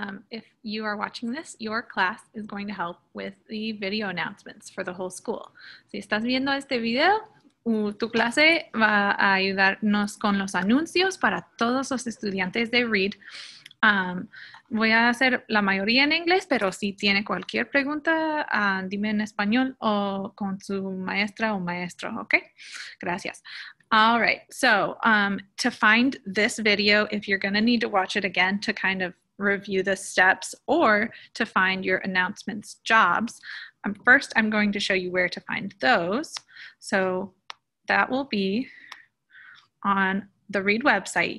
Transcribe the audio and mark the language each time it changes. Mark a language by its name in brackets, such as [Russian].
[English] If you are watching this, your class is going to help with the video announcements for the whole school. [Spanish] Si estás viendo este video, tu clase va a ayudarnos con los anuncios para todos los estudiantes de READ. Voy a hacer la mayoría en inglés, pero si tiene cualquier pregunta, dime en español o con su maestra o maestro, ¿ok? Gracias. [English] All right, so to find this video, if you're going to need to watch it again to kind of review the steps or to find your announcements jobs, first I'm going to show you where to find those. So that will be on the READ website.